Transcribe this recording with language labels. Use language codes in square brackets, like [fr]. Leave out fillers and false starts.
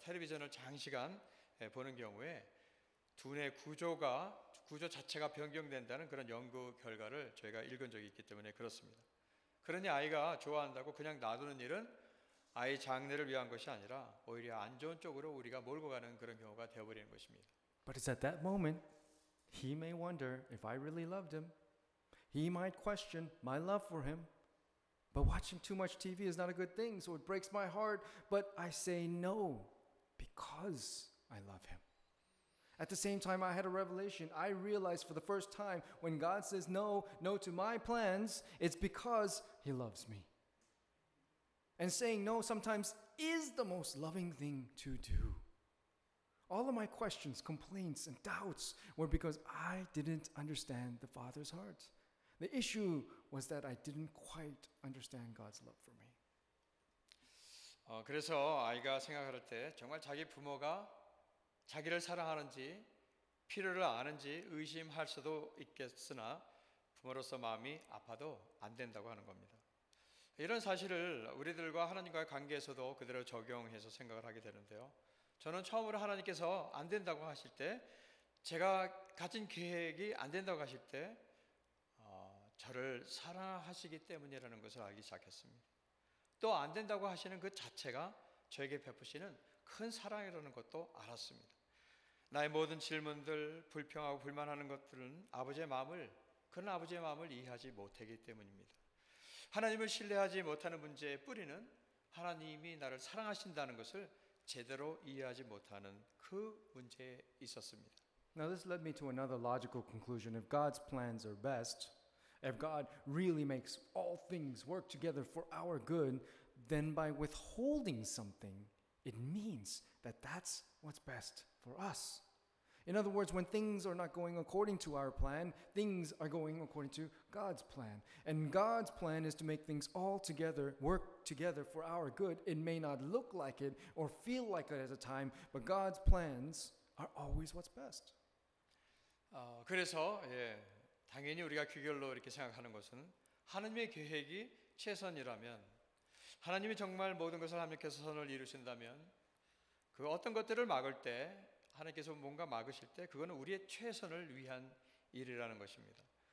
[ko] 텔레비전을 장시간 보는 경우에 두뇌 구조 자체가 변경된다는 그런 연구 결과를 저희가 읽은 적이 있기 때문에 그렇습니다. 그러니 아이가 좋아한다고 그냥 놔두는 일은 아이 장래를 위한 것이 아니라 오히려 안 좋은 쪽으로 우리가 몰고 가는 그런 경우가 되어버리는 것입니다. [en] But it's at that moment, he may wonder if I really loved him. He might question my love for him. But watching too much TV is not a good thing, so it breaks my heart. But I say no because I love him. At the same time, I had a revelation. I realized for the first time when God says no to my plans, it's because he loves me. And saying no sometimes is the most loving thing to do. All of my questions, complaints, and doubts were because I didn't understand the Father's heart. The issue was that I didn't quite understand God's love for me. [ko] 그래서 아이가 생각할 때 정말 자기 부모가 자기를 사랑하는지 필요를 아는지 의심할 수도 있겠으나 부모로서 마음이 아파도 안 된다고 하는 겁니다. 이런 사실을 우리들과 하나님과의 관계에서도 그대로 적용해서 생각을 하게 되는데요. 저는 처음으로 하나님께서 안 된다고 하실 때 제가 가진 계획이 안 된다고 하실 때 저를 사랑하시기 때문이라는 것을 알기 시작했습니다. 또 안 된다고 하시는 그 자체가 저에게 베푸시는 큰 사랑이라는 것도 알았습니다. 나의 모든 질문들, 불평하고 불만하는 것들은 아버지의 마음을 그런 아버지의 마음을 이해하지 못하기 때문입니다. 하나님을 신뢰하지 못하는 문제의 뿌리는 하나님이 나를 사랑하신다는 것을 제대로 이해하지 못하는 그 문제에 있었습니다. [en] Now this led me to another logical conclusion. If God's plans are best, if God really makes all things work together for our good, then by withholding something, it means that that's what's best for us. In other words, when things are not going according to our plan, things are going according to God's plan. And God's plan is to make things all together, work together for our good. It may not look like it or feel like it at the time, but God's plans are always what's best. [ko] 그래서 예, 당연히 우리가 귀결로 이렇게 생각하는 것은 하나님의 계획이 최선이라면 하나님이 정말 모든 것을 합력해서 선을 이루신다면 그 어떤 것들을 막을 때 하나님께서 뭔가 막으실 때 그거는 우리의 최선을 위한 일이라는 것입니다.